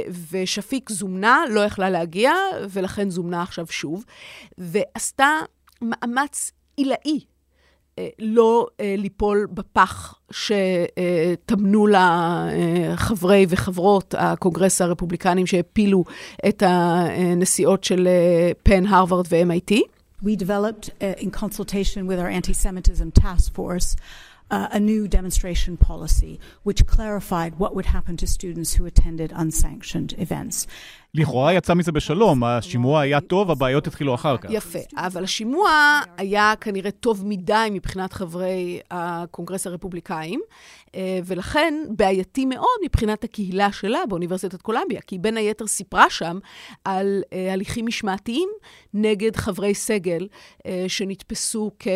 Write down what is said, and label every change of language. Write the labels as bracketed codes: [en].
[he] ושפיק זומנה, לא יכלה להגיע, ולכן זומנה עכשיו שוב, ועשתה מאמץ אילאי לא ליפול בפח שתמנו לה חברי וחברות הקונגרס הרפובליקנים שהפילו את הנסיעות של פן, הרווארד ו-MIT. [en] We developed, in consultation with our anti-Semitism task force, a new demonstration policy, which clarified what would happen to students who attended unsanctioned events. [he] לכאורה יצא מזה בשלום, השימוע היה טוב, הבעיות התחילו אחר כך. יפה, אבל השימוע היה כנראה טוב מדי מבחינת חברי הקונגרס הרפובליקאים, ולכן בעייתי מאוד מבחינת הקהילה שלה באוניברסיטת קולומביה, כי בין היתר סיפרה שם על הליכים משמעתיים נגד חברי סגל שנתפסו